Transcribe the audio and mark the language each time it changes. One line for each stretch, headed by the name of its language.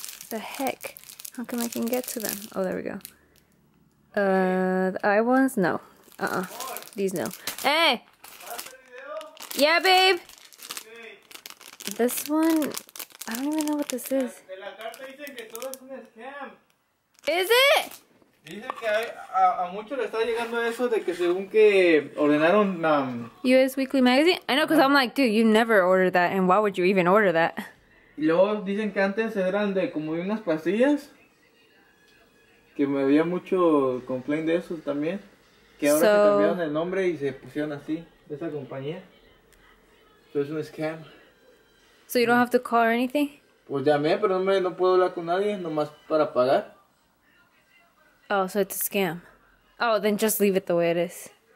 English: The heck? How come I can get to them? Oh, there we go. The eye ones? No. Uh-uh. These, no. Hey! Yeah, babe! This one? I don't even know what this is. Is it? US Weekly Magazine? I know, because I'm like, dude, you never order that, and why would you even order that?
Spanish: Y luego dicen que antes eran de como de unas pastillas, que me había mucho complaint de eso también, que ahora se cambiaron el nombre y se pusieron así, de esa compañía.
English: So it's a scam. So you don't have to call or anything?
Spanish: Pues llamé, pero no puedo hablar con nadie, nomás para pagar.
English: Oh, so it's a scam. Oh, then just leave it the way it is.